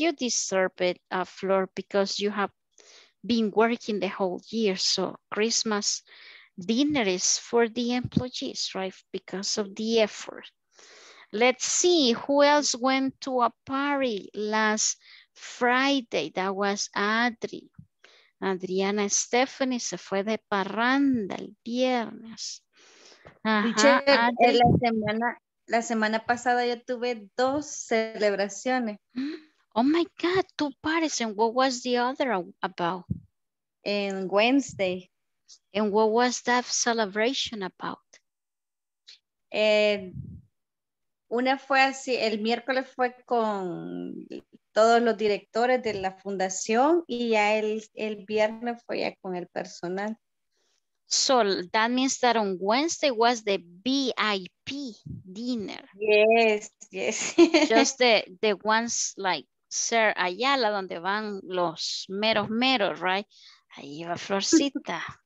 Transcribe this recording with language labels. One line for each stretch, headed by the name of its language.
English: You deserve it, Flor, because you have been working the whole year. So Christmas dinner is for the employees, right? Because of the effort. Let's see who else went to a party last Friday. That was Adri.
Spanish: Adriana Stephanie se fue de parranda el viernes. Ajá, Adri. La semana pasada yo tuve dos celebraciones.
English: Oh my God, two parties. And what was the other about? In Wednesday. And what was that celebration about?
Spanish: Una fue así, el miércoles fue con todos los directores de la fundación y ya el viernes fue ya con el personal.
English: So that means that on Wednesday was the VIP dinner. Yes, yes. Just the ones like ser Ayala,
Spanish: donde van los meros meros,
English: right?
Spanish: Ahí va Florcita.